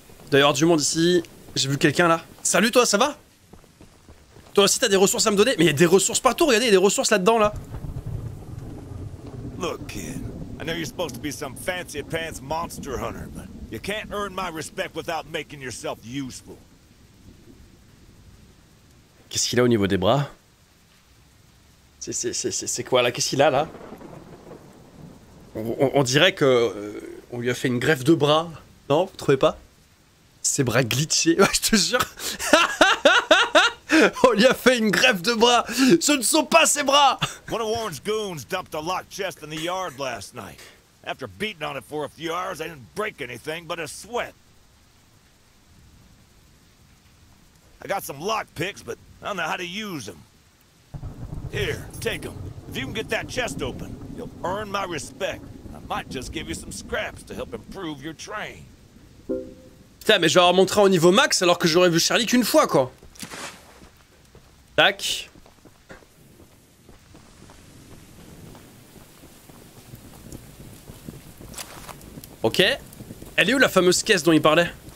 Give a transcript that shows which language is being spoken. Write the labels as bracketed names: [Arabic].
[French] D'ailleurs, du monde ici, j'ai vu quelqu'un là. Salut toi, ça va? Toi aussi t'as des ressources à me donner? Mais y'a des ressources partout, regardez, y'a des ressources là-dedans là. [English] Look, kid, I know you're supposed to be some fancy pants monster hunter, but you can't earn my respect without making yourself useful. [French] Qu'est-ce qu'il a au niveau des bras? C'est quoi là? Qu'est-ce qu'il a là? On dirait que on lui a fait une greffe de bras. Non, vous trouvez pas? Ses bras glitchés, ouais, je te jure. On lui a fait une greffe de bras. Ce ne sont pas ses bras. [English] One of Warren's goons dumped a locked chest in the yard last night. After beating on it for a few hours, I didn't break anything but a sweat. I got some lock picks, but I don't know how to use them. Here, take them. If you can get that chest open, you'll earn my respect. I might just give you some scraps to help improve your train. [French] Putain, mais je vais avoir montré au niveau max alors que j'aurais vu Charlie qu'une fois, quoi. Tac. Ok. Elle est où la fameuse caisse dont il parlait?